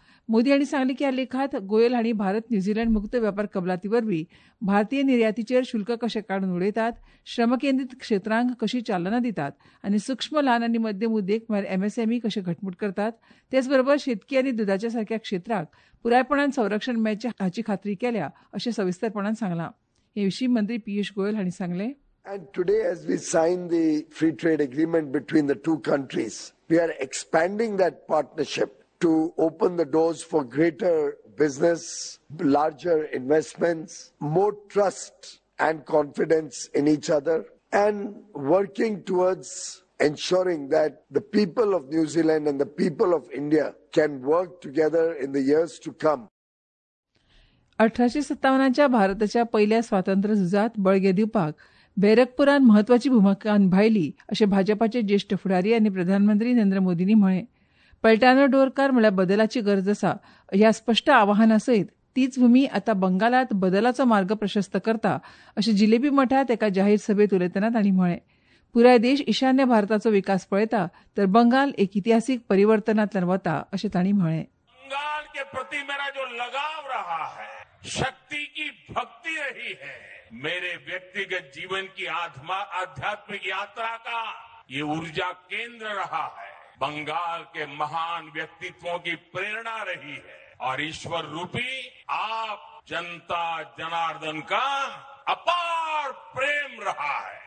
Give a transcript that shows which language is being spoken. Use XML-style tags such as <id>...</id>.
<gom>मोदी हांणी सांगली की ह्या लेखात गोयल हांणी भारत न्यूझीलंड मुक्त वेपार कबलातीवरवी भारतीय निर्यातीचेर शुल्क कशे काडून उडयतात, श्रम केंद्रीत क्षेत्रांक कशी चालना दितात आनी सुक्ष्म लहान आनी मध्यम उद्देग म्हळ्यार एमएसएमई कशे घटमूट करतात, त्याचबरोबर शेतकी आनी दुधाच्या सारख्या क्षेत्राक पुरायपणान संरक्षण मेळचे हाची खात्री केल्या अशें सविस्तरपणान सांगलां. हे विशी मंत्री पियुश गोयल हांणी सांगले.</gom> <en>And today as we sign the free trade agreement between the two countries, we are expanding that partnership to open the doors for greater business, larger investments, more trust and confidence in each other and working towards ensuring that the people of New Zealand and the people of India can work together in the years to come.</en> <gom>1857 भारताच्या पहिल्या स्वातंत्र्य झुजात बळगे दिवपाक बैरकपुरान महत्वाची भूमिका निभायली अशें भाजपाचे ज्येष्ठ फुडारी आनी प्रधानमंत्री नरेंद्र मोदींनी म्हळें.</gom> <bn>पलटानो डोरकार</bn> <gom>म्हळ्यार बदलाची गरज आसा ह्या स्पश्ट आवाहनासयत तीच भूमी आतां बंगालात बदलाचो मार्ग प्रशस्त करता अशें जिलेबी मठात एका जाहीर सभेत उलयतना तांणी म्हळें. पुराय देश ईशान्य भारताचो विकास पळयता तर बंगाल एक इतिहासीक परिवर्तनांतल्यान वता अशें तांणी म्हळें.</gom> <hi>बंगाल के प्रति मेरा जो लगाव रहा है, शक्ति की भक्ति रही है, मेरे व्यक्तिगत जीवन की आध्यात्मिक यात्रा का ये ऊर्जा केंद्र रहा है, बंगाल के महान व्यक्तित्वों की प्रेरणा रही है और ईश्वर रूपी आप जनता जनार्दन का अपार प्रेम रहा है.</hi>